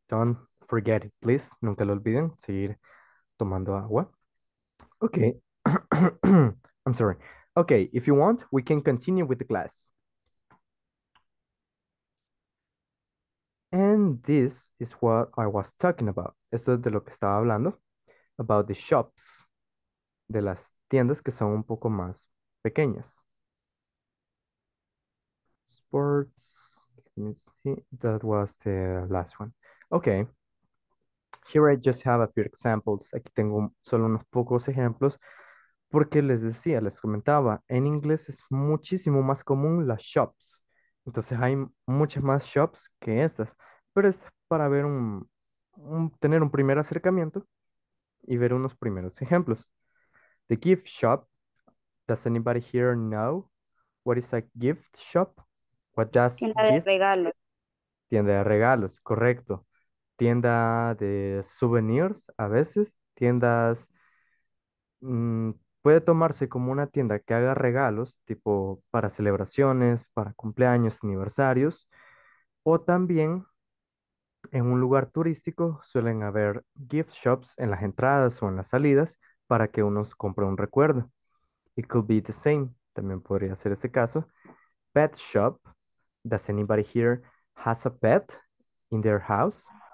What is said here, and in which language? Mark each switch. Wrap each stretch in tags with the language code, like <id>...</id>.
<en>Don't forget it, please.</en> <es>Nunca lo olviden. Seguir tomando agua. Okay.</es> <en>I'm sorry. Okay, if you want, we can continue with the class. And this is what I was talking about.</en> <es>Esto es de lo que estaba hablando.</es> <en>About the shops.</en> <es>De las tiendas que son un poco más pequeñas.</es> <en>Sports. That was the last one. Okay. Here I just have a few examples.</en> <es>Aquí tengo solo unos pocos ejemplos. Porque les decía, les comentaba, en inglés es muchísimo más común las shops. Entonces hay muchas más shops que estas. Pero estas para ver tener un primer acercamiento y ver unos primeros ejemplos.</es> <en>The gift shop. Does anybody here know what is a gift shop? What does</en> <es>tienda de</es> <en>gift...</en> <es>regalos. Tienda de regalos, correcto. Tienda de souvenirs, a veces. Tiendas... puede tomarse como una tienda que haga regalos, tipo para celebraciones, para cumpleaños, aniversarios. O también... en un lugar turístico suelen haber gift shops en las entradas o en las salidas para que uno compre un recuerdo.</es> <en>It could be the same.</en> <es>También podría ser ese caso.</es> <en>Pet shop. Does anybody here has a pet in their house?</en>